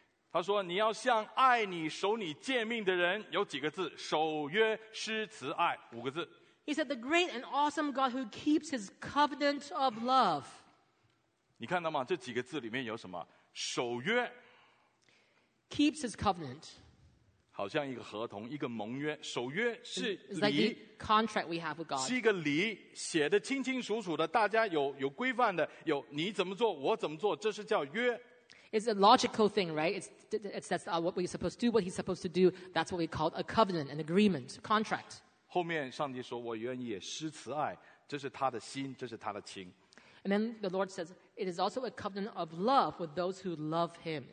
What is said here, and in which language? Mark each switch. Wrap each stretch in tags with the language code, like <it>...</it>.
<zh>他说：“你要向爱你、守你诫命的人有几个字？守约、施慈爱，五个字。”</zh> <en>He said, "The great and awesome God who keeps His covenant of love."</en> <zh>你看到吗？这几个字里面有什么？守约。</zh> <en>Keeps his covenant.</en> <zh>好像一个合同，一个盟约，守约是礼。</zh> <en>It's like the contract we have with God.</en> <zh>是一个礼，写的清清楚楚的，大家有规范的，有你怎么做，我怎么做，这是叫约。</zh> <en>It's a logical thing, right? It's that's what we're supposed to do, what he's supposed to do. That's what we call a covenant, an agreement, contract.</en> <zh>后面上帝说, 我愿意施慈爱, 这是他的心, 这是他的情。</zh> <en>And then the Lord says, it is also a covenant of love with those who love him.</en>